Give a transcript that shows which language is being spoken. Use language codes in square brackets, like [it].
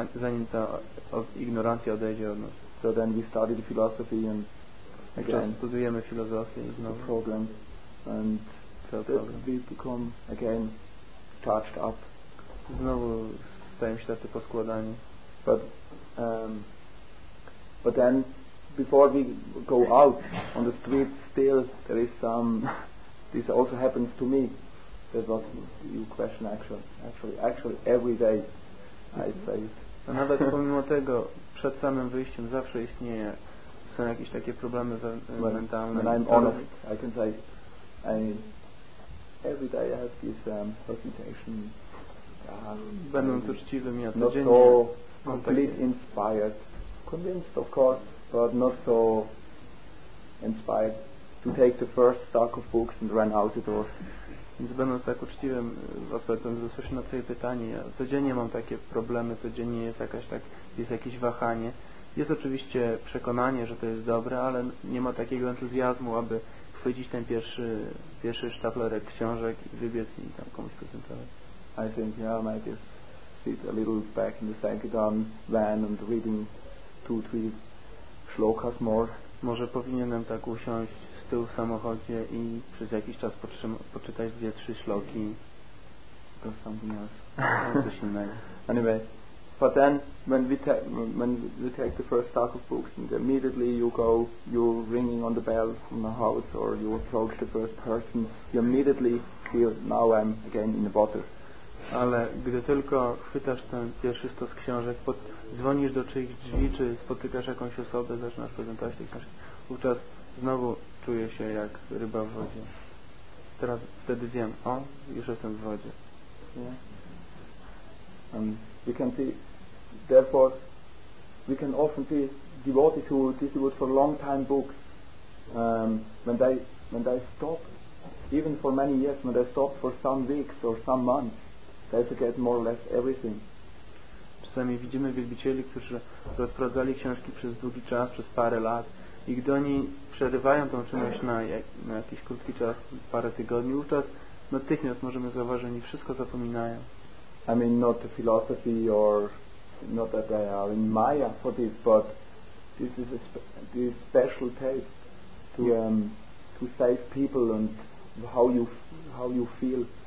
[pl] Zanim ta ignorancja odejdzie od nas. [en] So then we study the philosophy and again. [pl] Studujemy filozofię i znowu. [en] Program and we become again charged up. [pl] Znowu stajemy się tacy poskładani. [en] But then before we go out on the street, still there is some. This also happens to me. That was you question actually every day. I say. [pl] A nawet pomimo tego, przed samym wyjściem zawsze istnieje, są jakieś takie problemy mentalne. [en] When I'm honest, I can say, every day I have this hesitation. [pl] Będąc uczciwym, ja codziennie. [en] Not so completely inspired, convinced of course. But not so inspired to take the first stack of books and run out the door. [pl] Więc będąc tak uczciwym, odpowiadając zresztą na twoje pytanie, ja codziennie mam takie problemy, codziennie jest jakieś wahanie. Jest oczywiście przekonanie, że to jest dobre, ale nie ma takiego entuzjazmu, aby chwycić ten pierwszy sztaflerek książek, wybiec i tam komuś prezentować. [en] I think yeah, I might just sit a little back in the sankirtan van and reading 2-3 shlokas more. [pl] Może powinienem tak usiąść z tyłu w samochodzie i przez jakiś czas poczytać 2-3 szloki. [en] To something else. [pl] Coś innego. [en] Anyway, but then when we take the first stack of books and immediately you're ringing on the bell from the house or you approach the first person, you immediately feel now I'm again in the water. [pl] Ale gdy tylko chwytasz ten pierwszy stos książek, dzwonisz do czyichś drzwi, czy spotykasz jakąś osobę, zaczynasz prezentować te książki, wówczas znowu czuję się jak ryba w wodzie. Teraz wtedy wiem, o, już jestem w wodzie. [en] Yeah. We can see, therefore, we can often see devotees who distribute for long time books, when they stop, even for many years, when they stop for some weeks or some months, they forget more or less everything. [pl] Czasami widzimy wielbicieli, którzy rozprowadzali książki przez długi czas, przez parę lat, i gdy oni przerywają tą czynność na jakiś krótki czas, parę tygodni, wówczas natychmiast możemy zauważyć, że oni wszystko zapominają. [en] I mean not the philosophy or not that they are in Maya for this, but this is this special taste to save people and how you feel.